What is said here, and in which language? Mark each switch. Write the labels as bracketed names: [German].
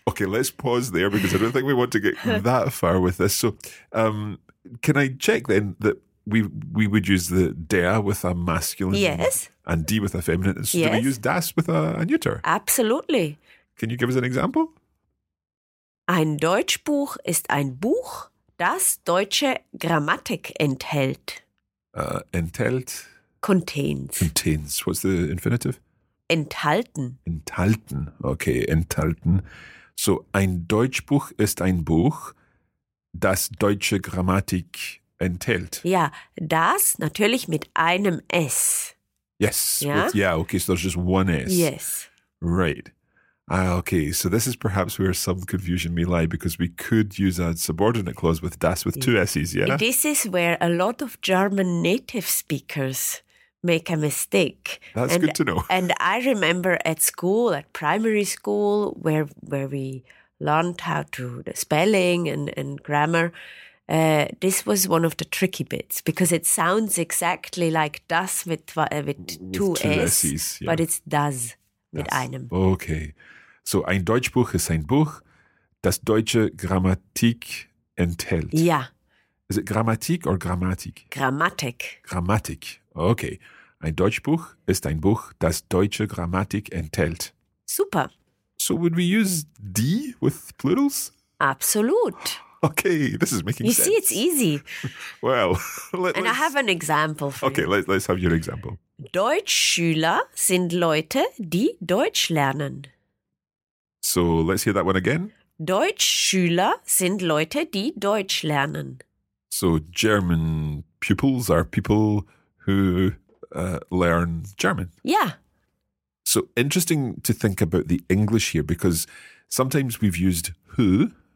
[English] Okay, let's pause there, because I don't think we want to get that far with this. So can I check then that we would use the der with a masculine, yes, and die with a feminine. So yes. Do we use das with a neuter? Absolutely. Can you give us an example? [German] Ein Deutschbuch ist ein Buch, das deutsche Grammatik enthält. Enthält? [English] Contains. Contains. What's the infinitive? [German] Enthalten. Enthalten. Okay, enthalten. So, ein Deutschbuch ist ein Buch, das deutsche Grammatik enthält. Ja, das natürlich mit einem S. [English] Yes. [German] Ja? [English] With, yeah, okay, so there's just one S. Yes. Right. Okay, so this is perhaps where some confusion may lie, because we could use a subordinate clause with das with two S's, yeah? This is where a lot of German native speakers make a mistake. That's good to know. And I remember at school, at primary school, where we learned how to the spelling and grammar, this was one of the tricky bits, because it sounds exactly like das with two S's, yeah, but it's das. [German] Mit einem. [English] Okay. [German] So, ein Deutschbuch ist ein Buch, das deutsche Grammatik enthält. Ja. [English] Is it Grammatik or Grammatik? [German] Grammatik. Grammatik. Okay. Ein Deutschbuch ist ein Buch, das deutsche Grammatik enthält. Super. [English] So, would we use die with plurals? [German] Absolut. [English] Okay, this is making you sense. You see, it's easy. Well, I have an example for okay, you. Okay, let's have your example. [German] Deutschschüler sind Leute, die Deutsch lernen. [English] So, let's hear that one again. [German] Deutschschüler sind Leute, die Deutsch lernen. [English] So, German pupils are people who learn German. Yeah. So, interesting to think about the English here, because sometimes we've used who.